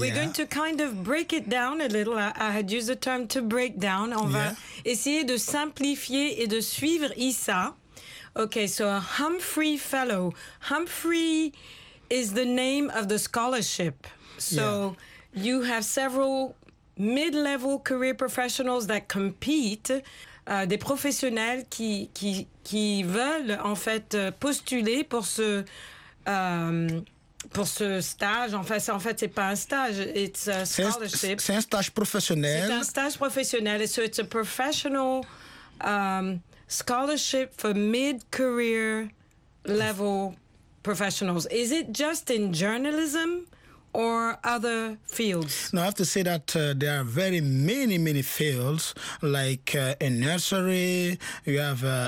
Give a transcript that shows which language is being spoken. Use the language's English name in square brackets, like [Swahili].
[English] We're going to kind of break it down a little. I had used the term to break down. [French] On va essayer de simplifier et de suivre Issa. [English] Okay, so a Humphrey Fellow. Humphrey is the name of the scholarship. So yeah. You have several mid-level career professionals that compete. [French] Des professionnels qui veulent en fait postuler pour ce stage. En fait, c'est pas un stage, [English] it's a scholarship. [French] C'est un stage professionnel. C'est un stage professionnel. [English] So it's a professional scholarship for mid-career level professionals. Is it just in journalism? Or other fields? No, I have to say that there are very many, many fields, like in nursery, you have...